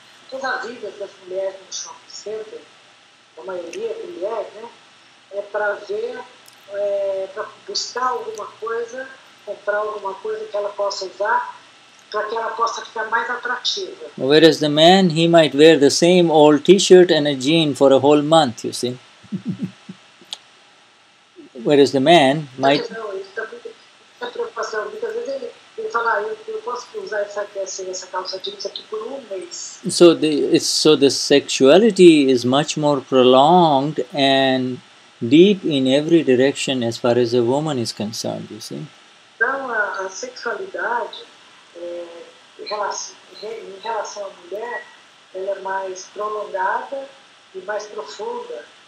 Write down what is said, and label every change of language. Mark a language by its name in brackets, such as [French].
[Portuguese] Todas as visitas das mulheres no shopping center, a maioria é mulher, né? É para ver para buscar alguma coisa, comprar alguma coisa que ela possa usar, para que ela possa ficar mais atrativa. [English] Whereas the man, he might wear the same old t-shirt and a jean for a whole month, you see. Whereas the man might... [Portuguese] Não, ele está muito preocupado. Muitas vezes ele fala, eu posso usar essa calça jeans aqui por um mês. [English] So the sexuality is much more prolonged and deep in every direction as far as a woman is concerned, you see. [Portuguese] Então, a sexualidade, em relação à mulher, ela é mais prolongada e mais profunda.